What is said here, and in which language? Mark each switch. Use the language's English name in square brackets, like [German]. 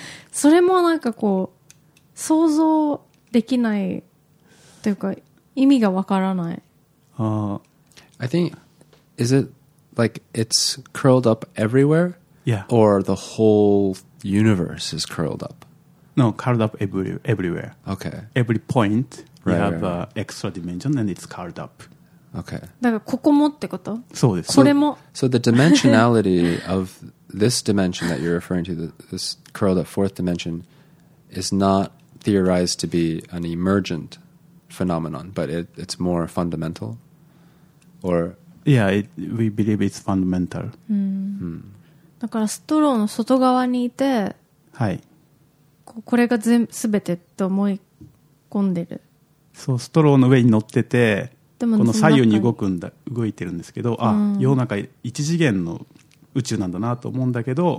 [Japanese] それもなんかこう、想像できないというか意味がわからない。 [English] I think is it like it's curled up everywhere? Yeah. Or the whole universe is curled up? No, curled up everywhere. Okay. Every point right, you have right. extra dimension and it's curled up. Okay. [Japanese] だからここもってこと？そうです。これも。 [English] So the dimensionality of this dimension that you're referring to, this curled up fourth dimension, is not theorized to be an emergent phenomenon, but it's more fundamental? Or... Yeah, we believe it's fundamental. [Japanese] だからストローの外側にいて、はい。これが全てと思い込んでる。そう、ストローの上に乗ってて、でもこの左右に動いてるんですけど、あ、世の中一次元の宇宙なんだなと思うんだけど、